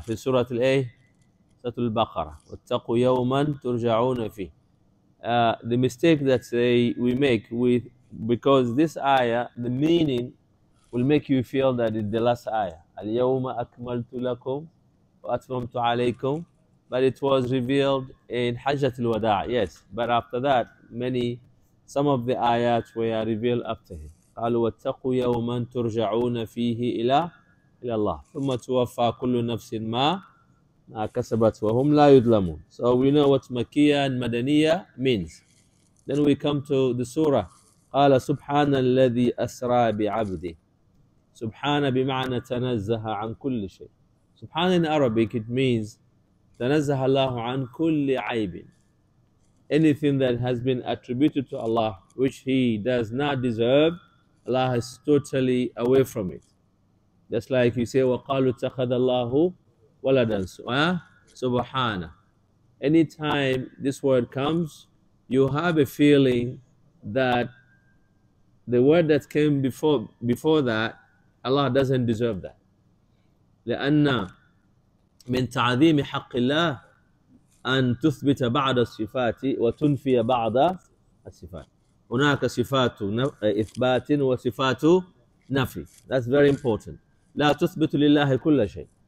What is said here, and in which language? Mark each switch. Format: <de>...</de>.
<ar>في سورة الايه؟ سورة البقرة. وَاتَّقُوا يَوْمًا تُرْجَعُونَ فِيهِ.</ar> <en>The mistake that we make with, because this ayah, the meaning will make you feel that it's the last ayah.</en> <ar>الْيَوْمَ أَكْمَلْتُ لَكُمْ وَأَتْمَمْتُ عَلَيْكُمْ.</ar> <en>But it was revealed in حَجَّةِ الْوَدَاعِ. Yes, but after that, many some of the ayats were revealed after him.</en> <ar>قالوا واتقوا يوما ترجعون فيه إلى الله ثم توفى كل نفس ما كسبت وهم لا يظلمون.</ar> <en>So we know what مكية and مدنية means. Then we come to the surah.</en> <ar>قال سبحان الذي أسرى بعبده. سبحان بمعنى تنزه عن كل شيء. سبحان</ar> <en>in Arabic it means</en> <ar>تنزه الله عن كل عيب.</ar> <en>Anything that has been attributed to Allah, which He does not deserve, Allah is totally away from it. Just like you say,</en> <ar>وَقَالُوا اتَّخَذَ اللَّهُ وَلَدًا سُبْحَانَ.</ar> <en>Anytime this word comes, you have a feeling that the word that came before that, Allah doesn't deserve that.</en> <ar>لَأَنَّ مِنْ تَعْذِيمِ حَقِّ اللَّهِ أن تثبت بعض الصفات وتنفي بعض الصفات. هناك صفات إثبات وصفات نفي.</ar> <en>That's very important.</en> <ar>لا تثبت لله كل شيء.</ar>